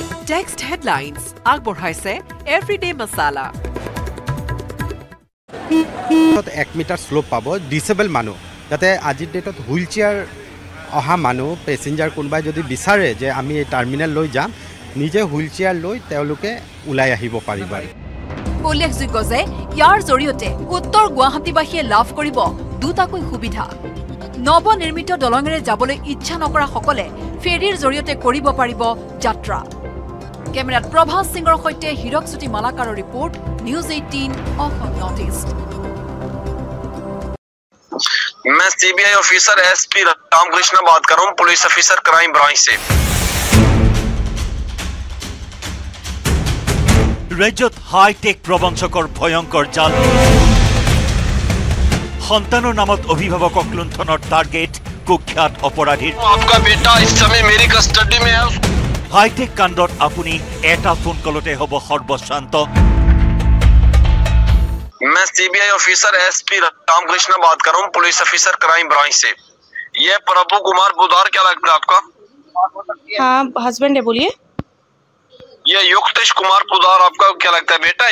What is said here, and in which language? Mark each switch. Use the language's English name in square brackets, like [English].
[Assamese] Text headlines আগবঢ়াইছে everyday masala. এক metre slope পাব ডিচেবল মানুহ, যাতে আজিৰ ডেটত হুইল চেয়াৰ অহা মানুহ পেচেঞ্জাৰ কোনোবাই যদি বিচাৰে যে আমি এই টাৰ্মিনেল লৈ যাম, নিজে হুইল চেয়াৰ লৈ তেওঁলোকে ওলাই আহিব পাৰিব। উল্লেখযোগ্য যে ইয়াৰ জৰিয়তে উত্তৰ গুৱাহাটীবাসীয়ে লাভ কৰিব দুটাকৈ সুবিধা। নৱনিৰ্মিত দলঙেৰে যাবলৈ ইচ্ছা নকৰাসকলে ফেৰীৰ জৰিয়তে কৰিব পাৰিব যাত্ৰা। কেমেৰাত প্ৰভাস সিঙৰ সৈতে Hirakjyoti মালাকাৰৰ report, news 18 Assam north east. [Hindi] मैं सीबीआई ऑफिसर एसपी रामकृष्ण बात कर रहा हूं, पुलिस ऑफिसर क्राइम ब्रांच से। [Assamese] ৰাজ্যত হাইটেক প্ৰবঞ্চকৰ ভয়ংকৰ জাল। সন্তানৰ নামত অভিভাৱকক লুণ্ঠনৰ টাৰ্গেট কুখ্যাত অপৰাধীৰ। [Hindi] আপকা বেটা ইসলামী মেৰি কাষ্টডি মে হ্যায়। [Assamese] হাইটেক কাণ্ডত আপুনি এটা ফোন কলতে হ'ব সৰ্বশান্ত। [Hindi] मैं सीबीआई ऑफिसर एसपी रामकृष्ण बात कर रहा हूं, पुलिस ऑफिसर क्राइम ब्रांच से। ये प्रभु कुमार बुधार, क्या लगता है आपका? हाँ, हस्बैंड है, बोलिए। ये युक्तेश कुमार बुधार, आपका क्या लगता है बेटा?